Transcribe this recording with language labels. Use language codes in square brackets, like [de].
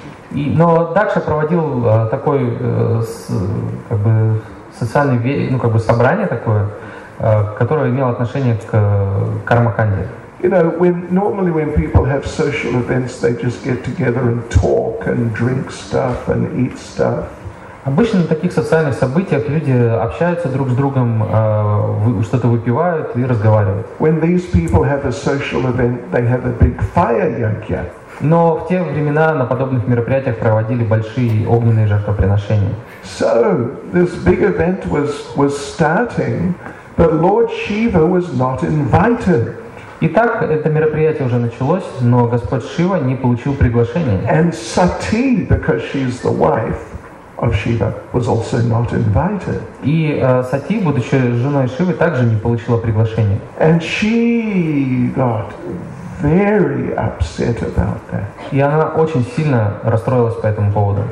[ru] Но Дакша проводил такой как бы социальный, ну как бы собрание такое, которое имело отношение к Кармаканде. [en] You know, when normally when people have social events, they just get together and talk and drink stuff and eat stuff. [ru] Обычно на таких социальных событиях люди общаются друг с другом, что-то выпивают и разговаривают. [en] When these people have a social event, they have a big fire yagya. [ru] Но в те времена на подобных мероприятиях проводили большие огненные жертвоприношения. [en] So this big event was starting, but Lord Shiva was not invited. [ru] Итак, это мероприятие уже началось, но Господь Шива не получил приглашения. [en] And Sati, because she's the wife of Shiva, was also not invited. [ru] И Сати, будучи женой Шивы, также не получила приглашения. [en] And she got very upset about that. [ru] И она очень сильно расстроилась по этому поводу.